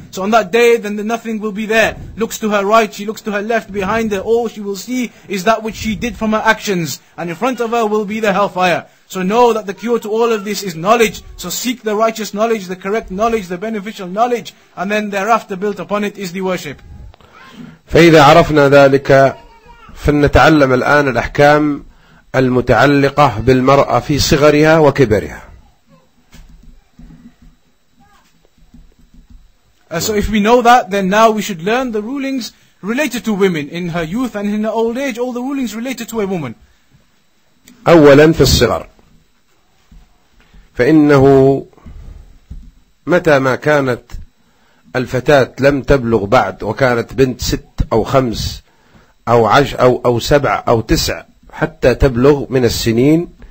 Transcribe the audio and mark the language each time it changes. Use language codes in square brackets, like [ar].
[en] So on that day, then nothing will be there. Looks to her right, she looks to her left, behind her, all she will see is that which she did from her actions. And in front of her will be the hellfire. So know that the cure to all of this is knowledge. So seek the righteous knowledge, the correct knowledge, the beneficial knowledge, and then thereafter built upon it is the worship. [ar] فإذا عرفنا ذلك فلنتعلم الآن الأحكام المتعلقة بالمرأة في صغرها وكبرها. [en] So if we know that, then now we should learn the rulings related to women in her youth and in her old age, all the rulings related to a woman. [ar] أولا في الصغر، فإنه متى ما كانت الفتاة لم تبلغ بعد وكانت بنت ست أو خمس أو عشر أو سبع أو تسع حتى تبلغ من السنين،